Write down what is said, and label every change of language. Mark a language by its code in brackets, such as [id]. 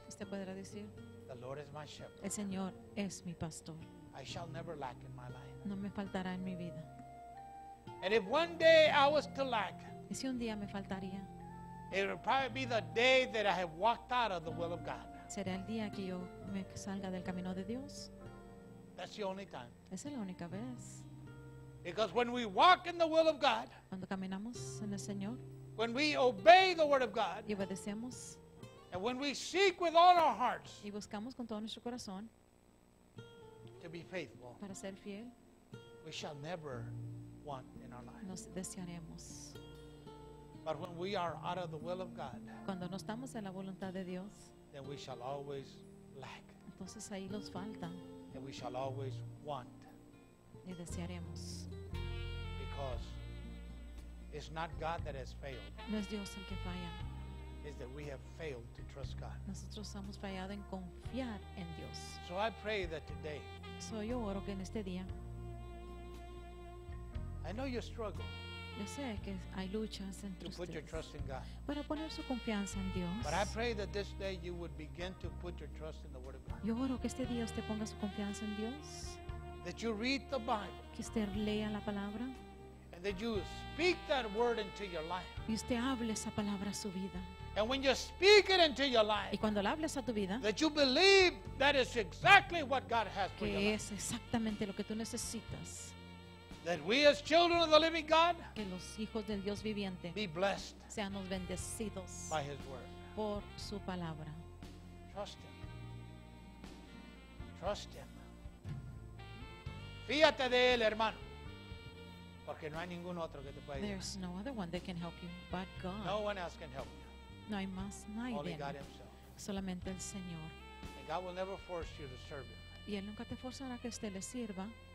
[es] usted podrá decir, [en] the Lord is my shepherd. [es] El Señor es mi pastor. [en] I shall never lack in my life. [es] No me faltará en mi vida. [en] And if one day I was to lack, [es] y si un día me faltaría, [en] it would probably be the day that I have walked out of the will of God. [es] Será el día que yo me salga del camino de Dios. [en] That's the only time. [es] Esa es la única vez. [en] Because when we walk in the will of God, [es] cuando caminamos en el Señor, [en] when we obey the word of God, [es] y obedecemos, [en] and when we seek with all our hearts, [es] y buscamos con todo nuestro corazón, [en] to be faithful, [es] para ser fiel, [en] we shall never want in our life. [es] Nos desearemos. [en] But when we are out of the will of God, [es] cuando no estamos en la voluntad de Dios, [en] then we shall always lack. [es] Entonces ahí nos falta. [en] And we shall always want. [es] Y desearemos. [en] Because it's not God that has failed. [es] No es Dios el que falla. [en] It's that we have failed to trust God. [es] Nosotros hemos fallado en confiar en Dios. [en] So I pray that today. [es] So yo oro que en este día. [en] I know you struggle. [es] Yo sé que hay luchas entre [en] to put your trust in God. [es] Para poner su confianza en Dios. [en] But I pray that this day you would begin to put your trust in the Word of God. [es] Yo oro que este día usted ponga su confianza en Dios. [en] That you read the Bible. [es] Que usted lea la palabra. [en] And that you speak that word into your life. [es] Y usted hable esa palabra a su vida. [en] And when you speak it into your life. [es] Y cuando la hables a tu vida. [en] That you believe that is exactly what God has for [es] que [en] your [es] es [en] life. [es] Exactamente lo que tú necesitas. [en] That we as children of the living God. [es] Que los hijos del Dios viviente. [en] Be blessed. [es] Seamos bendecidos. [en] By his word. [es] Por su palabra. [en] Trust him. Trust him. [es] Fíate de él, hermano, porque no hay ningún otro que te pueda ayudar. [en] There's no other one that can help you but God. No one else can help you. [es] No hay más nadie. [en] Only God himself. [es] Solamente el Señor. [en] And God will never force you to serve him. [es] Y él nunca te forzará que usted le sirva.